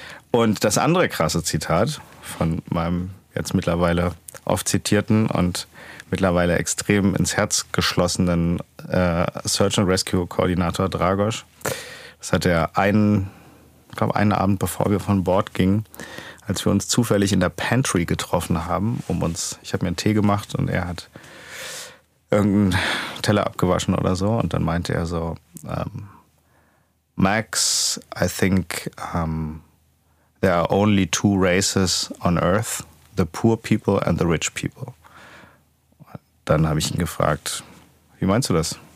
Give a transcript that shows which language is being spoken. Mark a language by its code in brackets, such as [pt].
[de] Und das andere krasse Zitat von meinem jetzt mittlerweile oft zitierten und mittlerweile extrem ins Herz geschlossenen Search and Rescue Koordinator Dragos. Das hat er einen Abend, bevor wir von Bord gingen, als wir uns zufällig in der Pantry getroffen haben, ich habe mir einen Tee gemacht und er hat irgendeinen Teller abgewaschen oder so. Und dann meinte er so, [en] Max, I think there are only two races on earth, the poor people and the rich people. [de] Dann habe ich ihn gefragt, wie meinst du das?